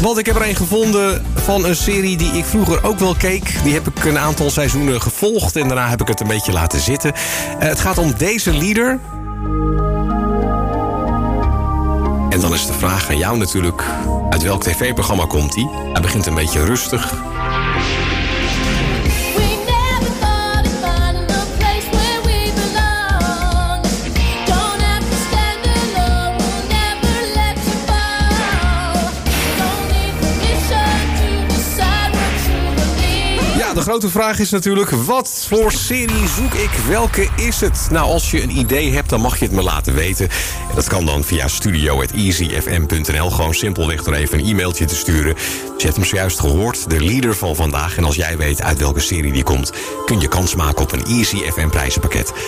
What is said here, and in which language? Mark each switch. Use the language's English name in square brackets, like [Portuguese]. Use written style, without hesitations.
[Dutch] Want ik heb er een gevonden van een serie die ik vroeger ook wel keek. Die heb ik een aantal seizoenen gevolgd en daarna heb ik het een beetje laten zitten. Het gaat om deze leader. En dan is de vraag aan jou natuurlijk, uit welk tv-programma komt hij? Hij begint een beetje rustig. [English] We never thought it fun in the place where we belong. Don't have to stand alone, we'll never let you fall. Don't need permission to decide what you believe. [Dutch] grote vraag is natuurlijk, wat voor serie zoek ik? Welke is het? Nou, als je een idee hebt, dan mag je het me laten weten. En dat kan dan via studio@easyfm.nl. Gewoon simpelweg door even een e-mailtje te sturen. Dus je hebt hem zojuist gehoord, de leader van vandaag. En als jij weet uit welke serie die komt, kun je kans maken op een Easy FM prijzenpakket.